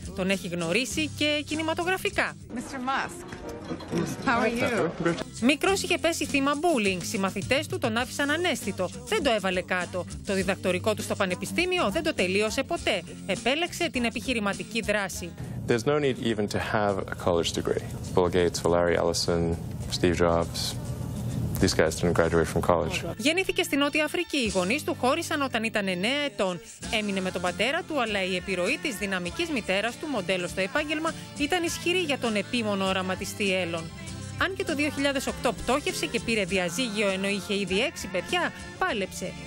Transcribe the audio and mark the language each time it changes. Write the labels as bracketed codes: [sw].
[el] Τον έχει γνωρίσει και κινηματογραφικά. [en] Mr. Musk, how are you? [el] Μικρός είχε πέσει θύμα bullying. Συμμαθητές του τον άφησαν ανέστητο. Δεν το έβαλε κάτω. Το διδακτορικό του στο πανεπιστήμιο δεν το τελείωσε ποτέ. Επέλεξε την επιχειρηματική δράση. [en] There's no need even to have a college degree. Bill Gates, Larry Ellison, Steve Jobs. These guys didn't graduate from college. [el] Γεννήθηκε στη Νότια Αφρική. Οι γονείς του χώρισαν όταν ήταν 9 ετών. Έμεινε με τον πατέρα του, αλλά η επιρροή της δυναμικής μητέρας του, μοντέλο στο επάγγελμα, ήταν ισχυρή για τον επίμονο οραματιστή Έλλον. Αν και το 2008 πτώχευσε και πήρε διαζύγιο ενώ είχε ήδη 6 παιδιά, πάλεψε.